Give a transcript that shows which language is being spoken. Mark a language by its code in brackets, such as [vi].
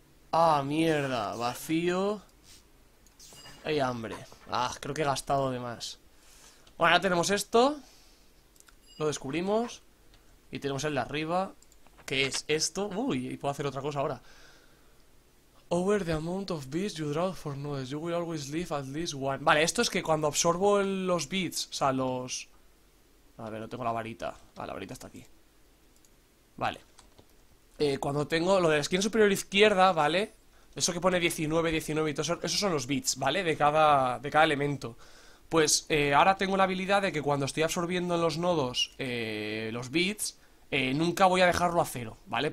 [es] Ah, mierda. Vacío. Hay hambre. Ah, creo que he gastado de más. Bueno, ahora tenemos esto. Lo descubrimos. Y tenemos el de arriba. Que es esto. Uy, y puedo hacer otra cosa ahora. [en] Over the amount of bits you draw for nodes, you will always leave at least one. [es] Vale, esto es que cuando absorbo los bits, o sea, los... A ver, no tengo la varita. Ah, la varita está aquí. Vale. Cuando tengo lo de la esquina superior izquierda, ¿vale? Eso que pone 19, 19 y todo eso, esos son los bits, ¿vale? De cada elemento. Pues ahora tengo la habilidad de que cuando estoy absorbiendo en los nodos los bits, nunca voy a dejarlo a cero, ¿vale?